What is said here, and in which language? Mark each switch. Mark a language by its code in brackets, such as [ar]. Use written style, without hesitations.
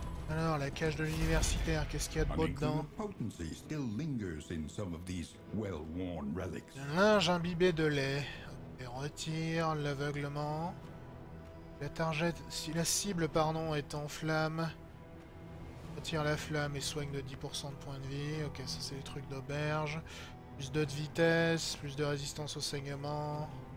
[fr] Alors, la cage de l'universitaire, qu'est-ce qu'il y a de beau dedans? [en] Potency still lingers in some of these well-worn relics. [fr] Un linge imbibé de lait. On retire l'aveuglement. La target, si la cible, pardon, est en flamme. Retire la flamme et soigne de 10% de points de vie. Ok, ça c'est les trucs d'auberge. Plus de vitesse, plus de résistance au saignement.